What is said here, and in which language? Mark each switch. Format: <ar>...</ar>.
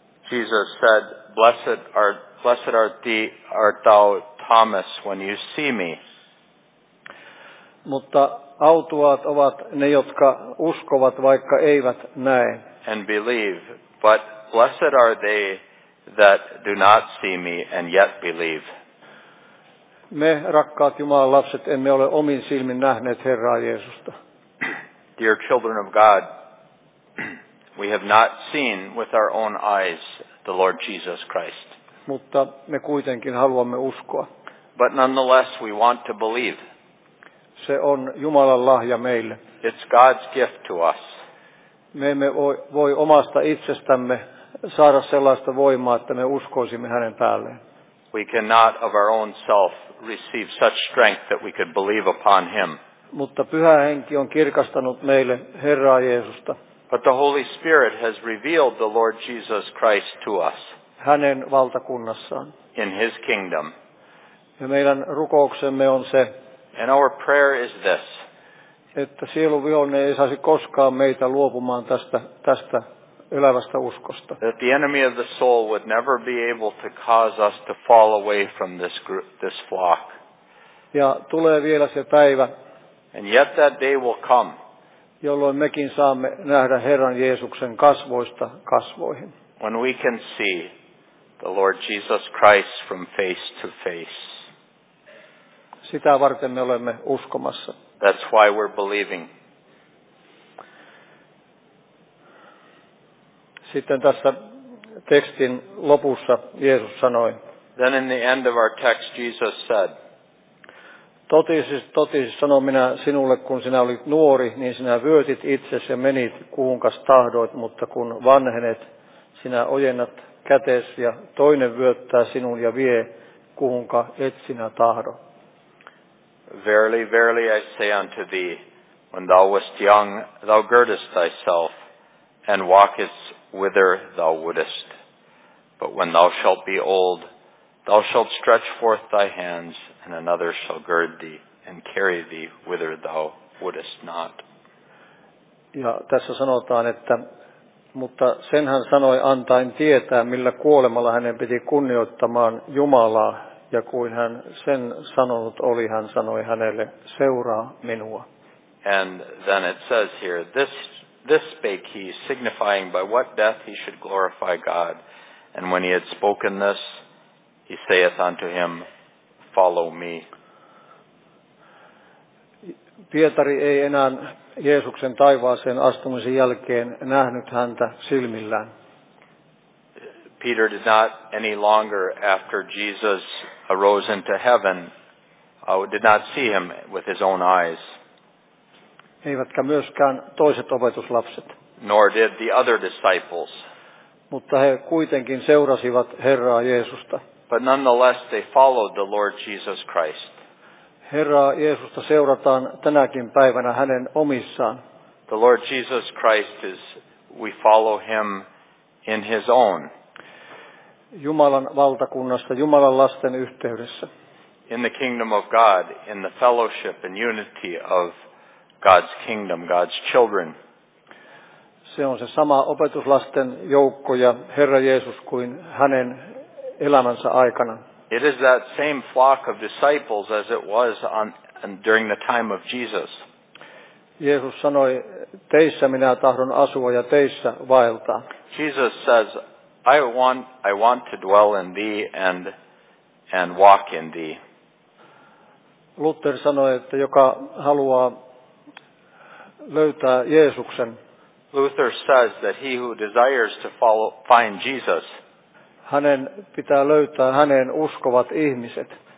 <en>Jesus said, blessed art thou Thomas when you see me.</en> <fi>Mutta autuaat ovat ne, jotka uskovat, vaikka eivät näe.</fi> <en>And believe. But blessed are they that do not see me and yet believe.</en> <fi>Me, rakkaat Jumalan lapset, emme ole omin silmin nähneet Herraa Jeesusta.</fi> <en>Dear children of God, we have not seen with our own eyes the Lord Jesus Christ.</en> <fi>Mutta me kuitenkin haluamme uskoa.</fi> <en>But nonetheless, we want to believe.</en> <fi>Se on Jumalan lahja meille.</fi> <en>It's God's gift to us.</en> <fi>Me emme voi omasta itsestämme saada sellaista voimaa, että me uskoisimme hänen päälleen.</fi> <en>We cannot of our own self receive such strength that we could believe upon him.</en> <fi>Mutta Pyhä Henki on kirkastanut meille Herraa Jeesusta.</fi> <en>But the Holy Spirit has revealed the Lord Jesus Christ to us.</en> <fi>Hänen valtakunnassaan.</fi> <en>In his kingdom.</en> <fi>Ja meidän rukouksemme on se.</fi> <en>And our prayer is this.</en> <fi>Että sieluvihollinen ei saisi koskaan meitä luopumaan tästä elävästä uskosta.</fi> <en>That the enemy of the soul would never be able to cause us to fall away from this flock.</en> <fi>Ja tulee vielä se päivä.</fi> <en>And yet that day will come.</en> <fi>Jolloin mekin saamme nähdä Herran Jeesuksen kasvoista kasvoihin.</fi> <en>When we can see the Lord Jesus Christ from face to face.</en> <fi>Sitä varten me olemme uskomassa.</fi> <en>That's why we're believing.</en> <fi>Sitten tässä tekstin lopussa Jeesus sanoi.</fi> <en>Then in the end of our text Jesus said.</en> <fi>Totisesti sanon minä sinulle, kun sinä olit nuori, niin sinä vyötit itsesi ja menit kuhunkas tahdoit, mutta kun vanhenet, sinä ojennat kätesi ja toinen vyöttää sinun ja vie kuhunka et sinä tahdo.</fi> <en>Verily, verily, I say unto thee, when thou wast young, thou girdest thyself, and walkest whither thou wouldest. But when thou shalt be old, thou shalt stretch forth thy hands, and another shall gird thee, and carry thee whither thou wouldest not.</en> <fi>Ja tässä sanotaan, että mutta sen hän sanoi antaen tietää, millä kuolemalla hänen piti kunnioittamaan Jumalaa, ja kuin hän sen sanonut oli, hän sanoi hänelle, seuraa minua.</fi> <en>And then it says here, this spake he, signifying by what death he should glorify God. And when he had spoken this, he saith unto him, follow me.</en> <fi>Pietari ei enää Jeesuksen taivaaseen astumisen jälkeen nähnyt häntä silmillään.</fi> <en>Peter did not any longer after Jesus arose into heaven, did not see him with his own eyes.</en> <fi>Eivätkä myöskään toiset opetuslapset.</fi> <en>Nor did the other disciples.</en> <fi>Mutta he kuitenkin seurasivat Herraa Jeesusta.</fi> <en>But nonetheless they followed the Lord Jesus Christ.</en> <fi>Herraa Jeesusta seurataan tänäkin päivänä hänen omissaan.</fi> <en>The Lord Jesus Christ is, we follow him in his own.</en> <fi>Jumalan valtakunnassa, Jumalan lasten yhteydessä.</fi> <en>In the kingdom of God, in the fellowship and unity of God's kingdom, God's children.</en> <fi>Se on se sama opetuslasten joukko ja Herra Jeesus kuin hänen elämänsä aikana.</fi> <en>It is that same flock of disciples as it was during the time of Jesus.</en> <fi>Jeesus sanoi, teissä minä tahdon asua ja teissä vaeltaa.</fi> <en>Jesus says, I want to dwell in thee and walk in thee.</en> <fi>Luther sanoi, että joka haluaa löytää Jeesuksen.</fi> <en>Luther says that he who desires to find Jesus,</en> <fi>hänen pitää löytää hänen uskovat ihmiset.</fi>